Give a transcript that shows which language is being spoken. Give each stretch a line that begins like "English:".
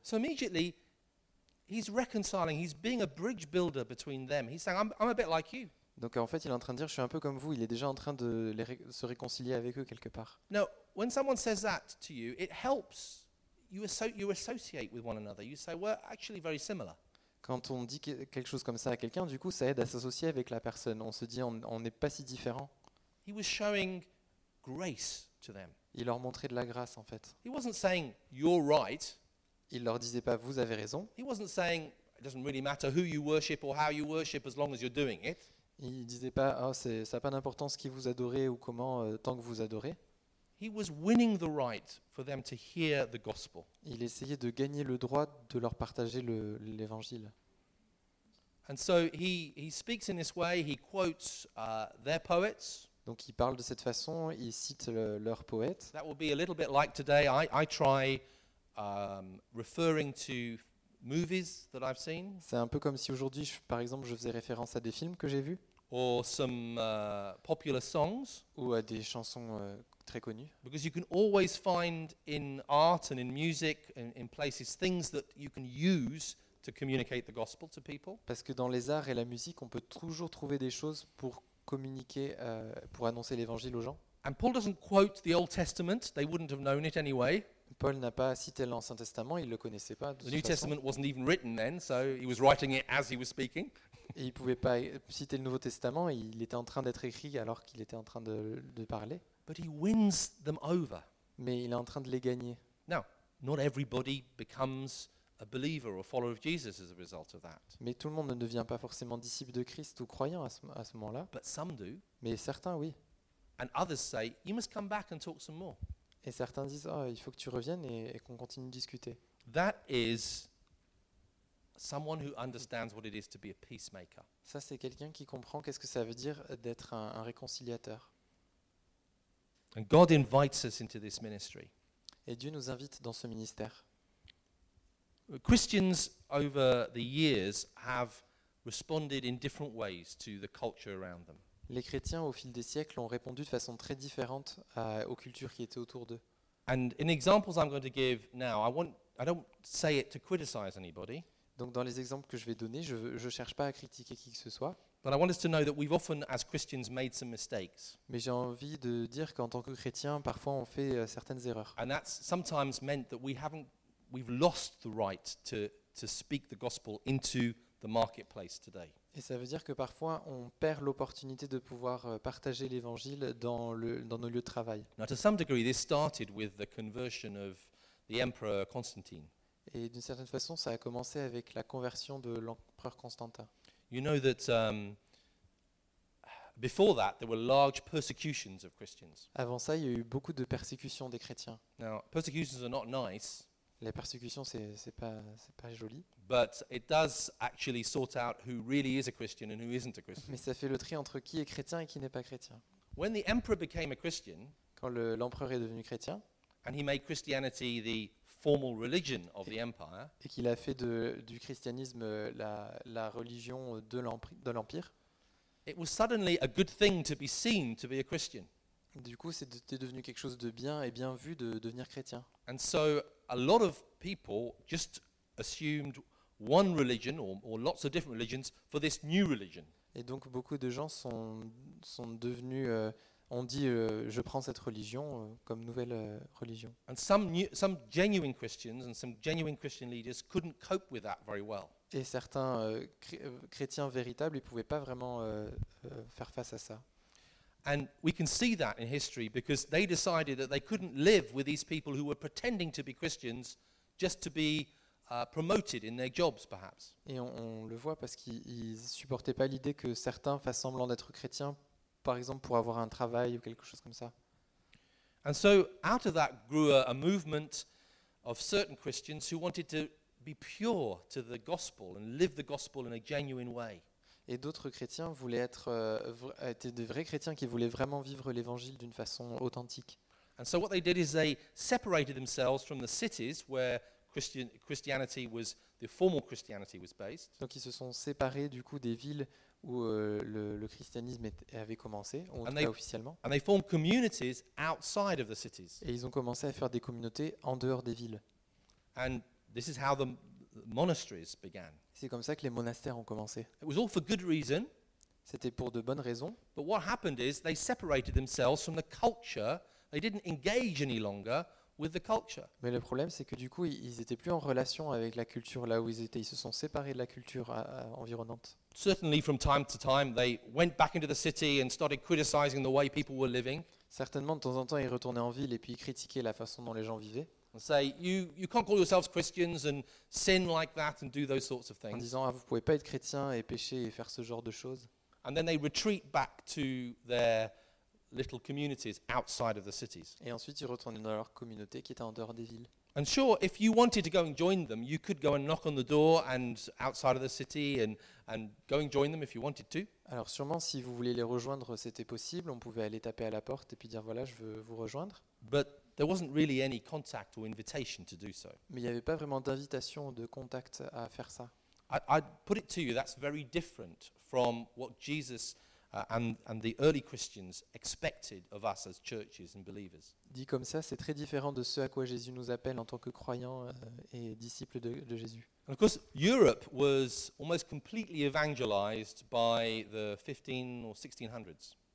English: So immediately, he's reconciling. He's being a bridge builder between them. He's saying, "I'm a bit like you."
French: Donc en fait, il est en train de dire, je suis un peu comme vous. Il est déjà en train de se réconcilier avec eux quelque part.
English: Now, when someone says that to you, it helps. You associate with one another. You say, "We're actually very similar."
French: Quand on dit quelque chose comme ça à quelqu'un, du coup, ça aide à s'associer avec la personne. On se dit, on n'est pas si différent.
English: He was showing grace to them.
French: Il leur montrait de la grâce en fait.
English: He wasn't saying you're right.
French: Il leur disait pas vous avez raison.
English: He wasn't saying it doesn't really matter who you worship or how you worship as long as you're doing it.
French: Il disait pas oh, ça a pas d'importance qui vous adorez ou comment tant que vous adorez.
English: He was winning the right for them to hear the gospel.
French: Il essayait de gagner le droit de leur partager l'évangile.
English: And so he speaks in this way. He quotes their poets.
French: Donc il parle de cette façon. Il cite leurs poètes.
English: That will be a little bit like today. I try referring to movies that I've seen.
French: C'est un peu comme si aujourd'hui, par exemple, je faisais référence à des films que j'ai vus.
English: Or some popular songs.
French: Ou à des chansons très connues.
English: Because you can always find in art and in music and in places things that you can use to communicate the gospel to people.
French: Parce que dans les arts et la musique, on peut toujours trouver des choses pour communiquer, pour annoncer l'évangile aux gens.
English: And Paul doesn't quote the Old Testament; they wouldn't have known it anyway.
French: Paul n'a pas cité l'Ancien Testament, il le connaissait pas.
English: The New Testament wasn't even written then, so he was writing it as he was speaking.
French: Et il pouvait pas citer le Nouveau Testament, il était en train d'être écrit alors qu'il était en train de parler.
English: But he wins them over.
French: Mais il est en train de les gagner.
English: Now, not everybody becomes a believer or follower of Jesus as a result of that.
French: Mais tout le monde ne devient pas forcément disciple de Christ ou croyant à ce moment-là.
English: But some do.
French: Mais certains oui.
English: And others say, you must come back and talk some more.
French: Et certains disent, oh, il faut que tu reviennes et qu'on continue de discuter.
English: That is someone who understands what it is to be a peacemaker.
French: Ça, c'est quelqu'un qui comprend qu'est-ce que ça veut dire d'être un réconciliateur.
English: And God invites us into this ministry.
French: Et Dieu nous invite dans ce ministère.
English: Christians over the years have responded in different ways to the culture around them.
French: Les chrétiens au fil des siècles ont répondu de façon très différente aux cultures qui étaient autour d'eux.
English: And in examples I'm going to give now, I don't say it to criticize anybody.
French: Donc dans les exemples que je vais donner, je cherche pas à critiquer qui que ce soit.
English: But I want us to know that we've often as Christians made some mistakes.
French: Mais j'ai envie de dire qu'en tant que chrétien, parfois on fait certaines erreurs.
English: And that's sometimes meant that we've lost the right to speak the gospel into the marketplace today.
French: Et ça veut dire que parfois on perd l'opportunité de pouvoir partager l'évangile dans nos lieux de travail.
English: Now, to some degree, this started with the conversion of the emperor Constantine.
French: Et d'une certaine façon, ça a commencé avec la conversion de l'empereur Constantin.
English: You know that before that, there were large persecutions of Christians.
French: Avant ça, il y a eu beaucoup de persécutions des chrétiens.
English: Now, persecutions are not nice.
French: Les persécutions, c'est pas joli.
English: But it does actually sort out who really is a Christian and who isn't a Christian.
French: Mais ça fait le tri entre qui est chrétien et qui n'est pas chrétien.
English: When the emperor became a Christian,
French: quand l'empereur est devenu chrétien,
English: and he made Christianity the formal religion of the empire,
French: et qu'il a fait du christianisme la religion de l'empire,
English: it was suddenly a good thing to be seen to be a Christian.
French: Du coup, c'était devenu quelque chose de bien et bien vu de devenir chrétien.
English: And so a lot of people just assumed one religion or lots of different religions for this new religion.
French: Et donc beaucoup de gens sont devenus ont dit je prends cette religion comme nouvelle religion.
English: And some genuine Christians and some genuine Christian leaders couldn't cope with that very well.
French: Et certains chrétiens véritables, ils pouvaient pas vraiment faire face à ça.
English: And we can see that in history because they decided that they couldn't live with these people who were pretending to be Christians just to be promoted in their jobs, perhaps.
French: Et on le voit parce qu'ils supportaient pas l'idée que certains fassent semblant d'être chrétiens, par exemple pour avoir un travail ou quelque chose comme ça.
English: And so out of that grew a movement of certain Christians who wanted to be pure to the gospel and live the gospel in a genuine way.
French: Et d'autres chrétiens voulaient étaient des vrais chrétiens qui voulaient vraiment vivre l'évangile d'une façon authentique.
English: And so what they did is they separated themselves from the cities where Christianity was the formal Christianity was based.
French: Donc ils se sont séparés du coup des villes où le christianisme avait commencé, où on était officiellement.
English: And they formed communities outside of the cities.
French: Et ils ont commencé à faire des communautés en dehors des villes.
English: And this is how the monasteries began.
French: C'est comme ça que les monastères ont commencé.
English: It was all for good reason.
French: C'était pour de bonnes raisons.
English: But what happened is they separated themselves from the culture. They didn't engage any longer with the culture.
French: Mais le problème, c'est que du coup, ils n'étaient plus en relation avec la culture là où ils étaient. Ils se sont séparés de la culture environnante.
English: Certainly, from time to time, they went back into the city and started criticizing the way people were living.
French: Certainement, de temps en temps, ils retournaient en ville et puis ils critiquaient la façon dont les gens vivaient.
English: And say you can't call yourselves Christians and sin like that and do those sorts of things.
French: En disant, ah, vous pouvez pas être chrétien et pécher et faire ce genre de choses.
English: And then they retreat back to their little communities outside of the cities.
French: Et ensuite, ils retournaient dans leur communauté qui était en dehors des villes.
English: And sure, if you wanted to go and join them, you could go and knock on the door and outside of the city and go and join them if you wanted to.
French: Alors sûrement, si vous vouliez les rejoindre, c'était possible. On pouvait aller taper à la porte et puis dire voilà, je veux vous rejoindre.
English: But there wasn't really any contact or invitation to do so.
French: Mais il n'y avait pas vraiment d'invitation ou de contact à faire ça.
English: I'd put it to you, that's very different from what Jesus and the early Christians expected of us as churches and believers.
French: Dit comme ça, c'est très différent de ce à quoi Jésus nous appelle en tant que croyants et disciples de Jésus.
English: And of course, Europe was almost completely evangelized by the 15 or 1600s.